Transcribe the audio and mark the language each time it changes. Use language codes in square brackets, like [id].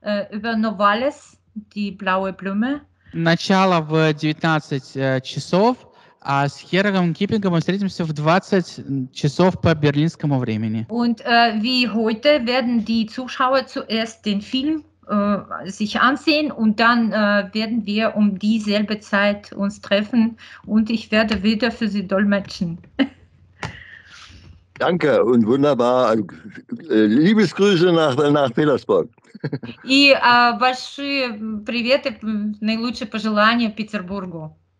[de] Über Novalis, die blaue Blume. [ru] Начало в 19 часов. А с Херугом Киппингом мы встретимся в 20 часов по берлинскому времени. [de] Und wie heute werden die Zuschauer zuerst den Film sich ansehen und dann werden wir um dieselbe Zeit uns treffen und ich werde wieder für Sie dolmetschen. Danke und wunderbar. Liebesgrüße nach Petersburg. [ru] И большие приветы, наилучшие пожелания Петербургу.